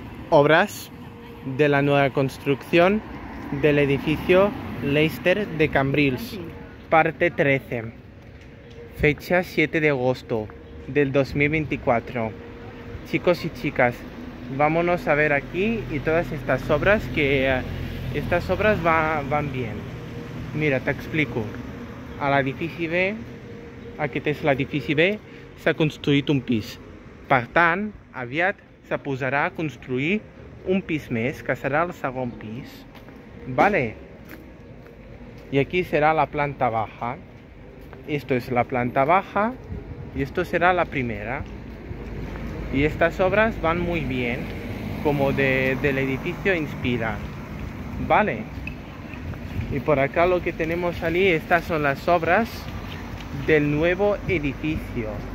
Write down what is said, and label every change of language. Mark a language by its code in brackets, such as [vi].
[es] obras de la nueva construcción del edificio Leicester de Cambrils, parte 13, fecha 7 de agosto del 2024. Chicos y chicas, vámonos a ver aquí y todas estas obras, que estas obras van bien. Mira, te explico. [ca] A la edifici B, aquest és l'edifici B, s'ha construït un pis. Per tant, aviat se posarà a construir un pis més, que serà el segon pis. Vale. I aquí serà la [es] planta baja. Esto es la planta baja y esto será la primera. Y estas obras van muy bien, como del edificio Inspira. Vale. Y por acá lo que tenemos allí, estas son las obras del nuevo edificio.